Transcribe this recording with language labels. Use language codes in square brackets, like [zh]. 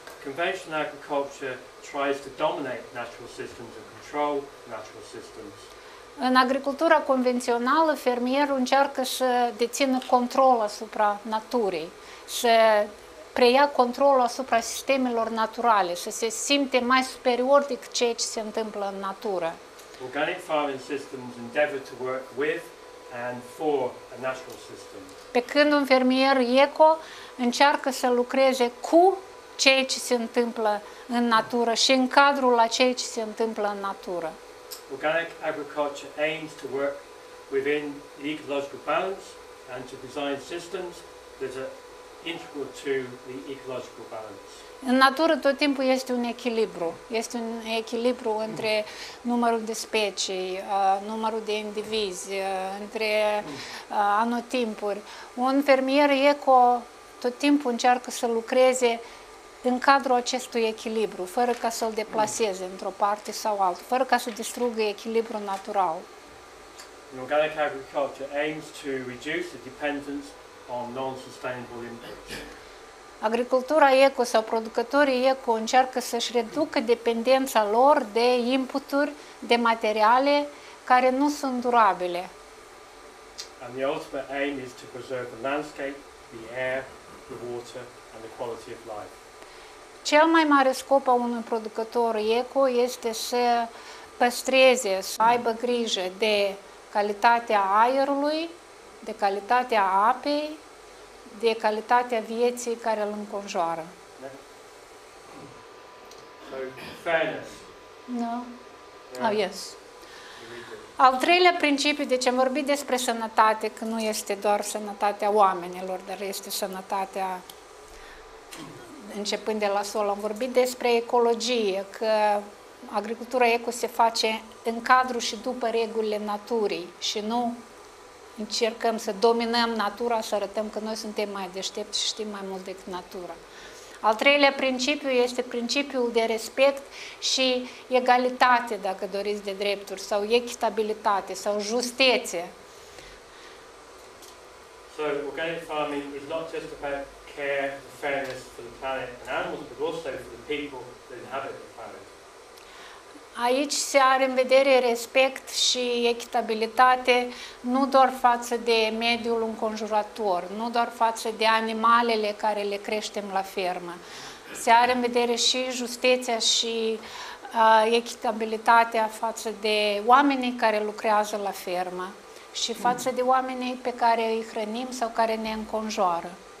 [en] Conventional agriculture tries to dominate natural systems and control natural systems. [ro] În agricultura convențională, fermierul încearcă să dețină control asupra naturii, să preia controlul asupra sistemelor naturale, să se simte mai superior decât ceea ce se întâmplă în natură. [en] Organic farming systems endeavor to work with and for a natural system. [ro] Pe când un fermier eco încearcă să lucreze cu ceea ce se întâmplă în natură și în cadrul la ceea ce se întâmplă în natură. [en] Organic agriculture aims to work within the ecological balance and to design systems that are integral to the ecological balance. [ro] În natură tot timpul este un echilibru. Este un echilibru între numărul de specii, numărul de indivizi, între anotimpuri. Un fermier eco tot timpul încearcă să lucreze în cadrul acestui echilibru, fără ca să-l deplaseze într-o parte sau altă, fără ca să distrugă echilibrul natural. [en] In organic agriculture aims to reduce the dependence on non-sustainable inputs. [ro] Agricultura eco sau producătorii eco încearcă să-și reducă dependența lor de inputuri, de materiale care nu sunt durabile. [en] And the ultimate aim is to preserve the landscape, the air, the water and the quality of life. [ro] Cel mai mare scop al unui producător eco este să păstreze, să aibă grijă de calitatea aerului, de calitatea apei, de calitatea vieții care îl înconjoară. [en] So, fairness. No. Oh, yes. [ro] Al treilea principiu, deci am vorbit despre sănătate, că nu este doar sănătatea oamenilor, dar este sănătatea începând de la sol, am vorbit despre ecologie, că agricultura eco se face în cadrul și după regulile naturii și nu încercăm să dominăm natura, să arătăm că noi suntem mai deștepți și știm mai mult decât natura. Al treilea principiu este principiul de respect și egalitate, dacă doriți, de drepturi, sau echitabilitate, sau justețe. [en] So, organic farming is not just about care, fairness for the planet and animals, but also for the people that inhabit the planet. [ro] Aici se are în vedere respect și echitabilitate nu doar față de mediul înconjurător, nu doar față de animalele care le creștem la fermă. Se are în vedere și justiția și echitabilitatea față de oamenii care lucrează la fermă și față de oamenii pe care îi hrănim sau care ne înconjoară.